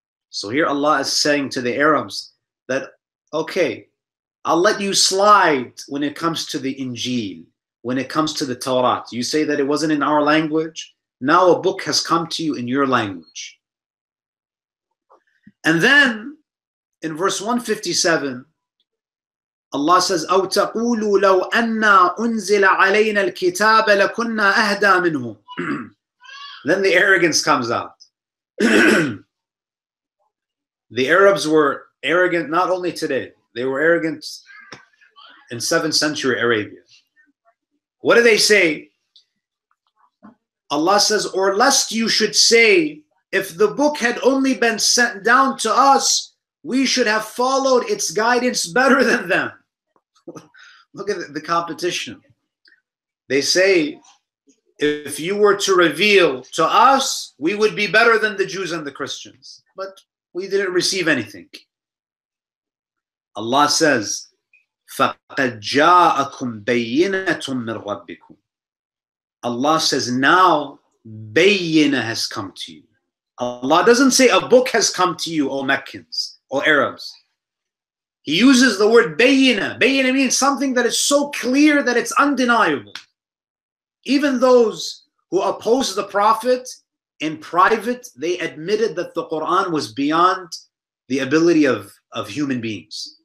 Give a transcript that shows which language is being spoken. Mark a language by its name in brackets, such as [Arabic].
[English] So here Allah is saying to the Arabs that, okay, I'll let you slide when it comes to the Injil, when it comes to the Torah. You say that it wasn't in our language. Now a book has come to you in your language. And then in verse 157, Allah says, [Arabic] أَوْ تَقُولُوا لَوْ أَنَّا أُنزِلَ عَلَيْنَا الْكِتَابَ لَكُنَّا أَهْدَى مِنْهُمْ. [English] Then the arrogance comes out. The Arabs were arrogant not only today. They were arrogant in 7th century Arabia. What do they say? Allah says, or lest you should say, if the book had only been sent down to us, we should have followed its guidance better than them. Look at the competition. They say, if you were to reveal to us, we would be better than the Jews and the Christians. But we didn't receive anything. Allah says, [Arabic] فَقَدْ جَاءَكُمْ بَيِّنَةٌ مِّن رَبِّكُمْ. [English] Allah says, now بَيِّنَة has come to you. Allah doesn't say a book has come to you, O Meccans, O Arabs. He uses the word bayina. Bayina means something that is so clear that it's undeniable. Even those who oppose the Prophet in private, they admitted that the Quran was beyond the ability of human beings.